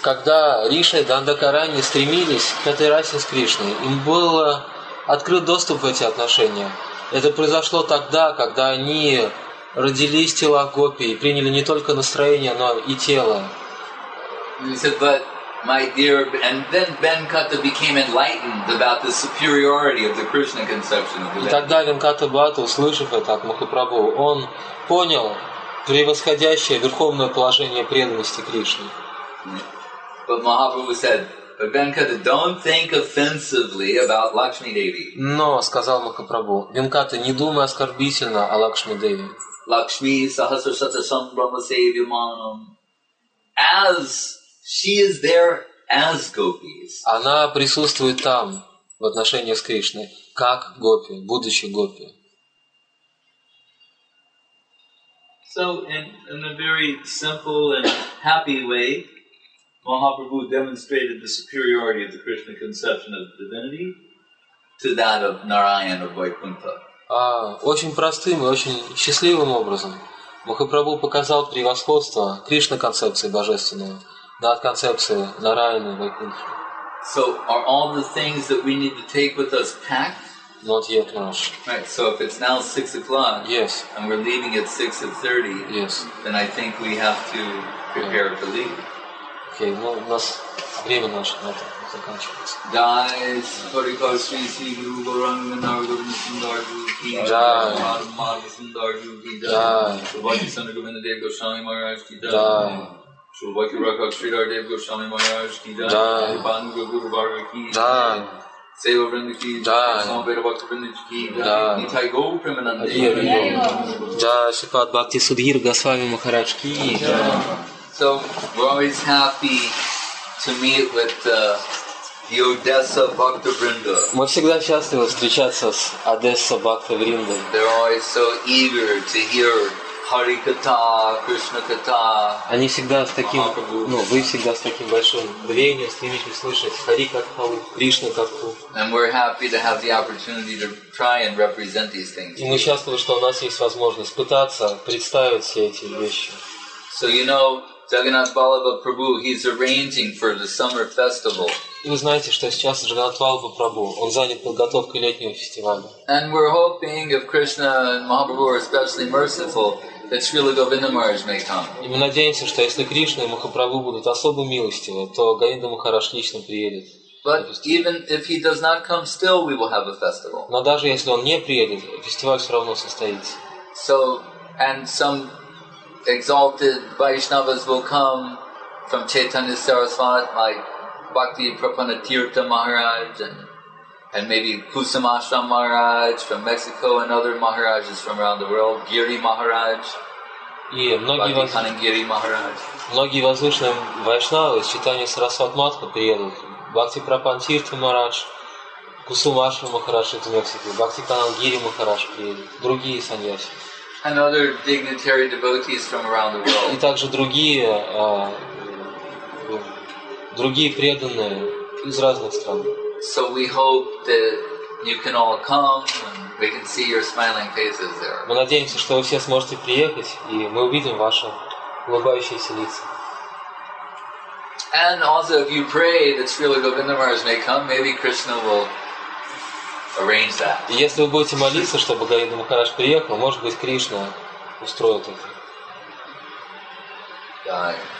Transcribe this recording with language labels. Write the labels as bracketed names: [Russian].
[Russian] Когда риши Дандакаранья стремились к этой расе с Кришной, им был открыт доступ в эти отношения. Это произошло тогда, когда они родились тела Гопи и приняли не только настроение, но и тело. [English] He said, "But my dear," and then Venkata became enlightened about the superiority of the Krishna conception of the lady. [Russian] И тогда Венкатабхата, услышав это от Махапрабху, он понял превосходящее верховное положение преданности Кришне. [English] But Mahaprabhu said, "But Venkata, don't think offensively about Lakshmi Devi." [Russian] Но сказал Махапрабху, Венката, не думай оскорбительно о Лакшми Деви. [Sanskrit] Лакшми сахасрасата самбрама сейвиманам, [English] as she is there as gopis. [Russian] Она присутствует там в отношении с Кришной, как гопи, будучи гопи. [English] So in a very simple and happy way, Mahaprabhu demonstrated the superiority of the Krishna conception of divinity to that of Narayana of Vaikuntha. [Russian] Очень простым и очень счастливым образом Махапрабху показал превосходство Кришна концепции божественного над концепцией Нараяны и Вайкунтхи. [English] So are all the things that we need to take with us packed? Not yet, Maharaj. Right, so if it's now 6 o'clock, yes, and we're leaving at 6:30, yes, then I think we have to prepare to leave. Okay, well, [Russian] у нас время наше на этом заканчивается. Дайс, Харико, Шри, Си, Гуру, Гуранга, Нарагурна, Сундаргу, [English] So we're always happy to meet with the Odessa Bhakta Vrinda. [Russian] Мы всегда счастливы встречаться с Одесса Бхакта Вриндой. [English] They're always so eager to hear Hari Katha, Krishna Katha. [Russian] Они всегда с таким, ну, вы всегда с таким большим рвением стремитесь слышать Хари Катху, Кришна Катху. [English] And we're happy to have the opportunity to try and represent these things. [Russian] И мы счастливы, что у нас есть возможность пытаться представить все эти вещи. [English] So you know, Jagannath Vallabha Prabhu, he's arranging for the summer festival. [Russian] И вы знаете, что сейчас Джагат Валба Прабу, он занят подготовкой летнего фестиваля. [English] And we're hoping, if Krishna and Mahaprabhu are especially merciful, that Srila Govinda Maharaj may come. [Russian] И мы надеемся, что если Кришна и Махапрабху будут особо милостивы, то Говинда Махарадж лично приедет. [English] But even if he does not come, still we will have a festival. [Russian] Но даже если он не приедет, фестиваль все равно состоится. [English] So, and some exalted Vaishnavas will come from Chaitanya Sarasvati, like Bhakti Prapanna Tirtha Maharaj, and maybe Kusumashram Maharaj from Mexico and other Maharajas from around the world, Giri Maharaj. [Russian] Многие возвышенные вайшнавы из читания Сарасватматха приедут. Бхакти Прапан Тирта Махарадж, Кусумашра Махарадж из Мексики, Бхакти Канан Гири Махарадж приедут. Другие саньяси. [English] And other dignitary devotees from around the world. [Russian] И также другие преданные из разных стран. [English] So we hope that you can all come and we can see your smiling faces there. [Russian] Мы надеемся, что вы все сможете приехать, и мы увидим ваши улыбающиеся лица. [English] And also, if you pray that Srila Govinda Maharaj may come, maybe Krishna will arrange that. [Russian] Если вы будете молиться, чтобы Говинда Махарадж приехал, может быть, Кришна устроит это.